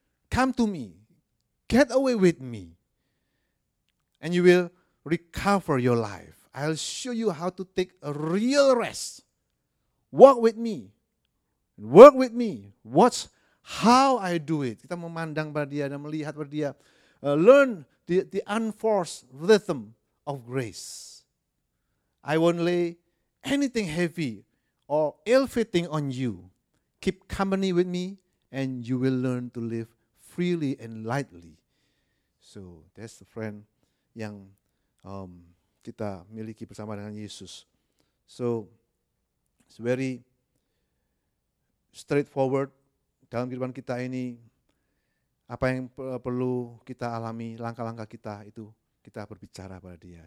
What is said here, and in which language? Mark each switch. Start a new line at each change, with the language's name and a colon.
English: Come to me, get away with me, and you will recover your life. I'll show you how to take a real rest. Walk with me, work with me, watch how I do it.
Indonesian: Kita memandang pada Dia dan melihat pada Dia.
English: Learn the unforced rhythm of grace. I won't lay anything heavy or ill-fitting on you. Keep company with me and you will learn to live freely and lightly. So that's the friend
Indonesian: yang kita miliki bersama dengan Yesus.
English: So it's very straightforward
Indonesian: dalam kehidupan kita ini. Apa yang perlu kita alami, langkah-langkah kita itu kita berbicara pada Dia.